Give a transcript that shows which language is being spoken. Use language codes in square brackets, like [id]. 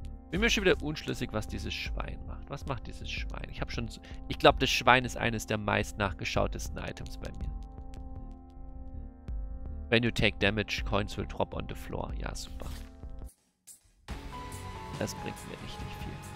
[de] Bin mir schon wieder unschlüssig, was dieses Schwein macht. Was macht dieses Schwein? Ich habe schon. Ich glaube, das Schwein ist eines der meist nachgeschautesten Items bei mir. [en] When you take damage, coins will drop on the floor. [de] Ja, super. Das bringt mir richtig viel.